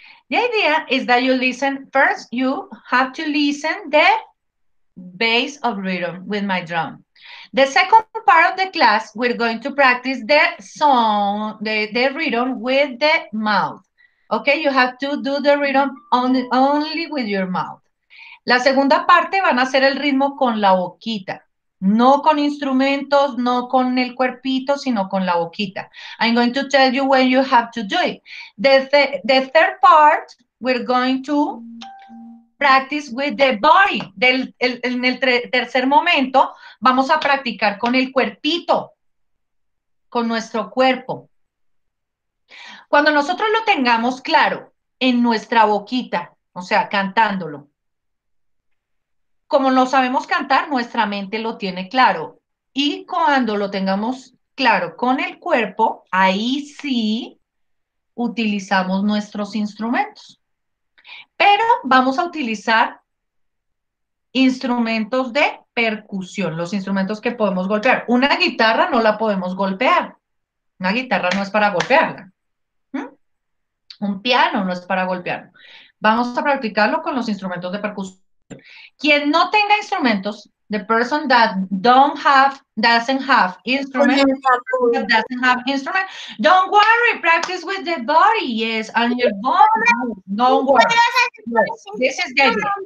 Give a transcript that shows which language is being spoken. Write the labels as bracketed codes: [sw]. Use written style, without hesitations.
[en] The idea is that you listen, first you have to listen the base of rhythm with my drum. The second part of the class, we're going to practice the song, the rhythm with the mouth. Okay, you have to do the rhythm only with your mouth. [es] La segunda parte van a hacer el ritmo con la boquita. No con instrumentos, no con el cuerpito, sino con la boquita. [en] I'm going to tell you when you have to do it. The third part, we're going to practice with the body. [es] En el tercer momento, vamos a practicar con el cuerpito, con nuestro cuerpo. Cuando nosotros lo tengamos claro en nuestra boquita, o sea, cantándolo, como no sabemos cantar, nuestra mente lo tiene claro. Y cuando lo tengamos claro con el cuerpo, ahí sí utilizamos nuestros instrumentos. Pero vamos a utilizar instrumentos de percusión, los instrumentos que podemos golpear. Una guitarra no la podemos golpear. Una guitarra no es para golpearla. Un piano no es para golpearlo. Vamos a practicarlo con los instrumentos de percusión. Quien no tenga instrumentos, [en] the person that don't have, doesn't have instrument, doesn't have instrument, don't worry, practice with the body, yes, and your body, don't worry. Yes. This is good.